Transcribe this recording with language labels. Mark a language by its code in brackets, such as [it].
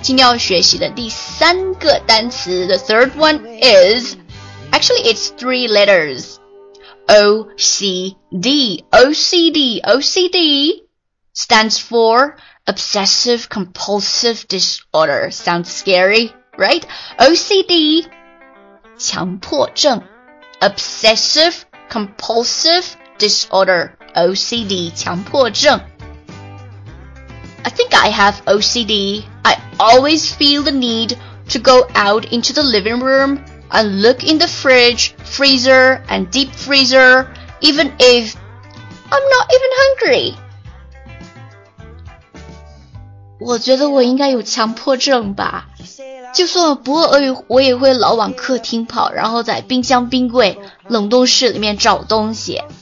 [zh] 今天要学习的第三个单词 [en] The third one is, actually it's three letters OCD, OCD, OCD stands for Obsessive Compulsive Disorder Sounds scary, right? OCD, [zh] 强迫症 [en] Obsessive Compulsive Disorder, OCD, 强迫症I think I have OCD. I always feel the need to go out into the living room and look in the fridge, freezer, and deep freezer, even if I'm not even hungry. [zh] 我觉得我应该有强迫症吧。就算不饿鱼，我也会老往客厅跑，然后在冰箱、冰柜、冷冻室里面找东西。